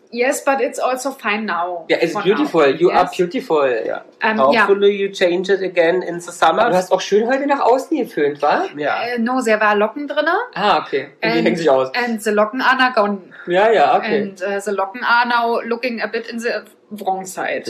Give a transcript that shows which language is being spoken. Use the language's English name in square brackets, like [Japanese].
[English] Yes, but it's also fine now. Yeah, it's beautiful. Now. You are beautiful. Yeah. Hopefully you change it again in the summer. [German] Aber du hast auch schön heute nach außen geföhnt, wa? Ja. [English] No, there were Locken drin. [German] Ah, okay. Und die hängen sich aus. [English] And the Locken are now gone. [German] Ja, okay. [English] And the Locken are now looking a bit in the wrong side.